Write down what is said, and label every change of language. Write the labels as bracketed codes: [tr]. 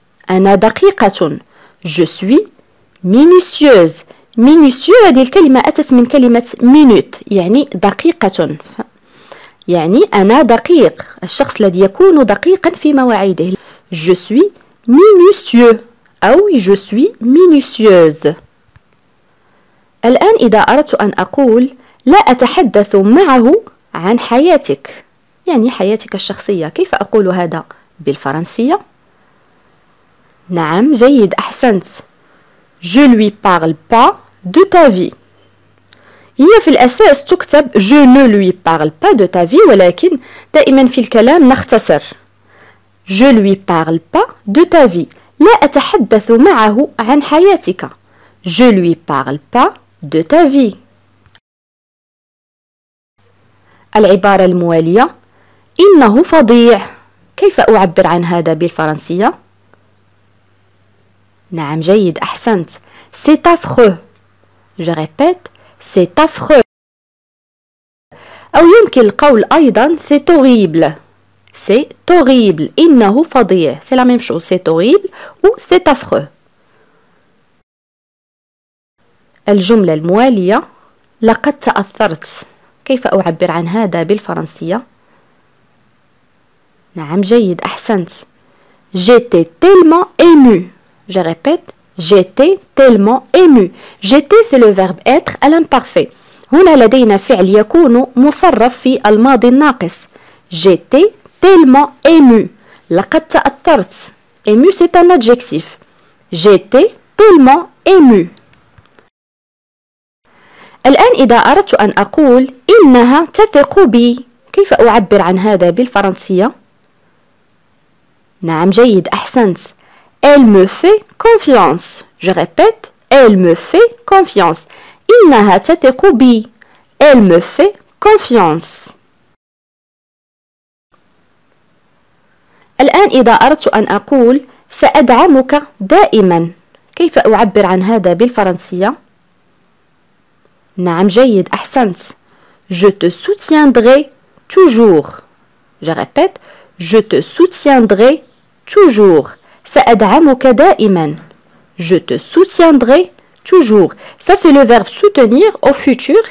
[ar] أنا دقيقة. [fr] Je suis minutieuse. [ar] Minutieux هذه الكلمة أتت من كلمة minute يعني دقيقة. يعني أنا دقيق، الشخص الذي يكون دقيقا في مواعيده. [fr] Je suis minutieux. أو je suis minutieuse. [ar] الآن إذا أردت أن أقول لا أتحدث معه عن حياتك، يعني حياتك الشخصية، كيف أقول هذا بالفرنسية؟ نعم جيد أحسنت. [fr] Je lui parle pas de ta vie. [ar] هي في الأساس تكتب [fr] Je ne lui parle pas de ta vie، [ar] ولكن دائما في الكلام نختصر. [fr] Je lui parle pas de ta vie. [ar] لا أتحدث معه عن حياتك. [fr] Je lui parle pas de ta vie. [ar] العبارة الموالية إنه فظيع. كيف أعبر عن هذا بالفرنسية؟ نعم جيد أحسنت. [fr] C'est affreux. Je répète, c'est affreux. [ar] أو يمكن القول أيضا [fr] c'est horrible. C'est horrible. [ar] إنه فظيع. [fr] C'est la même chose. C'est horrible ou c'est affreux. [ar] الجملة الموالية لقد تأثرت. كيف أعبر عن هذا بالفرنسية؟ نعم جيد أحسنت. [fr] J'étais tellement ému. Je répète. J'étais tellement ému. J'étais, c'est le verbe être à l'imparfait. [ar] هنا لدينا فعل يكون مصرف في الماضي الناقص. [fr] J'étais tellement ému. [ar] لقد تأثرت. [fr] Ému, c'est un adjectif. J'étais tellement ému. [ar] الآن إذا أردت أن أقول إنها تثق بي، كيف أعبر عن هذا بالفرنسية؟ نعم جيد أحسنت. [fr] Elle me fait confiance. Je répète, elle me fait confiance. [ar] إنها تثق بي. [fr] Elle me fait confiance. [ar] الآن إذا أردت أن أقول سأدعمك دائما، كيف أعبر عن هذا بالفرنسية؟ نعم جيد أحسنت. [fr] Je te soutiendrai toujours. Je répète, je te soutiendrai toujours. [ar] سأدعمك دائما. [fr] Je te soutiendrai toujours. Ça c'est le verbe soutenir au futur.